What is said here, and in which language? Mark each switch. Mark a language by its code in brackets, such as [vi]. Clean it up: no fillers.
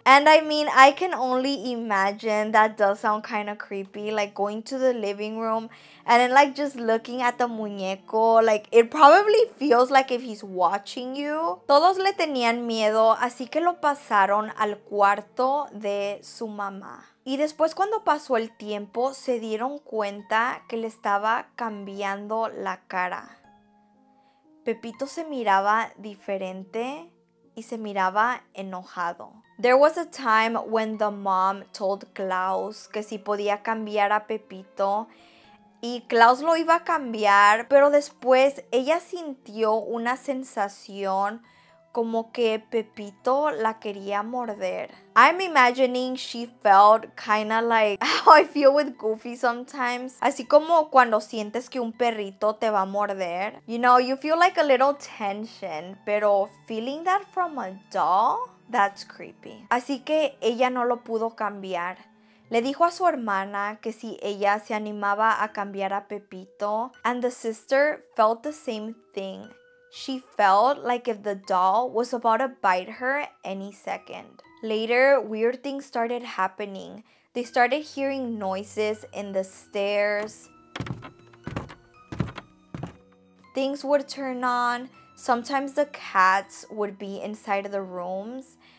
[en] And I mean, I can only imagine that does sound kind of creepy, like going to the living room and then like just looking at the muñeco, like it probably feels like if he's watching you. [es] Todos le tenían miedo, así que lo pasaron al cuarto de su mamá. Y después cuando pasó el tiempo, se dieron cuenta que le estaba cambiando la cara. Pepito se miraba diferente y se miraba enojado. [en] There was a time when the mom told Klaus [es] que si podía cambiar a Pepito y Klaus lo iba a cambiar, pero después ella sintió una sensación como que Pepito la quería morder. [en] I'm imagining she felt kind of like how I feel with Goofy sometimes. [es] Así como cuando sientes que un perrito te va a morder. [en] You know, you feel like a little tension. Pero feeling that from a doll, that's creepy. [es] Así que ella no lo pudo cambiar. Le dijo a su hermana que si ella se animaba a cambiar a Pepito. [en] And the sister felt the same thing. She felt like if the doll was about to bite her any second. Later, weird things started happening. They started hearing noises in the stairs. Things would turn on. Sometimes the cats would be inside of the rooms